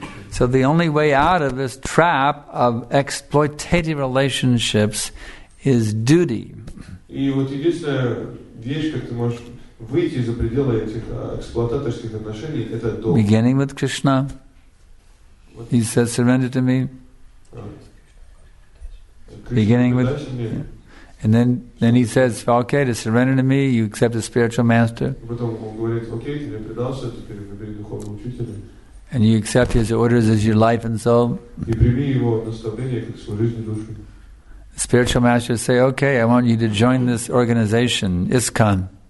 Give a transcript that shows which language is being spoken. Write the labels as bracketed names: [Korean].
[English] So the only way out of this trap of exploitative relationships is duty. [Russian] И вот единственная вещь, как ты можешь выйти за пределы этих эксплуататорских отношений, это долг. [English] Beginning with Krishna. He says, surrender to me. Beginning with... And then he says, okay, to surrender to me, you accept a spiritual master. [Russian] Потом он говорит, окей, ты мне предался, теперь выбери духовного учителя. [English] And you accept his orders as your life and soul. [Russian] И прими его наставление как свою жизнь и душу. [English] Spiritual masters say, okay, I want you to join this organization, ISKCON.